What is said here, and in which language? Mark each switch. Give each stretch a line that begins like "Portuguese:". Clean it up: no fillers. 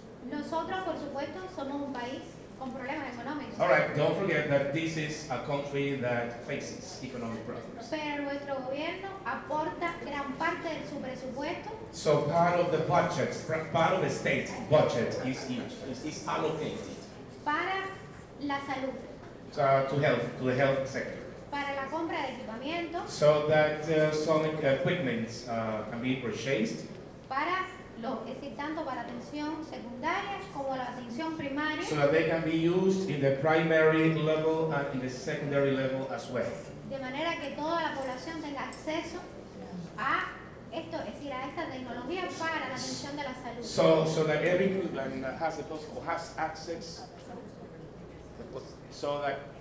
Spanish: Nosotros, por supuesto, somos un país con problemas económicos.
English: All right, don't forget that this is a country that faces economic problems.
Spanish: Pero nuestro gobierno aporta gran parte de su presupuesto.
English: So part of the budget, part of the state budget is used, is allocated.
Spanish: Para la salud.
English: So, to health, to the health sector.
Spanish: Para la compra de equipamiento.
English: So that some equipment can be purchased.
Spanish: Para lo que es tanto para atención secundaria como la atención primaria.
English: So that they can be used in the primary level and in the secondary level as well.
Spanish: De manera que toda la población tenga acceso a esto, es decir, a esta tecnología para la atención de la salud.
English: So, so that every person has the possible, has access, so that...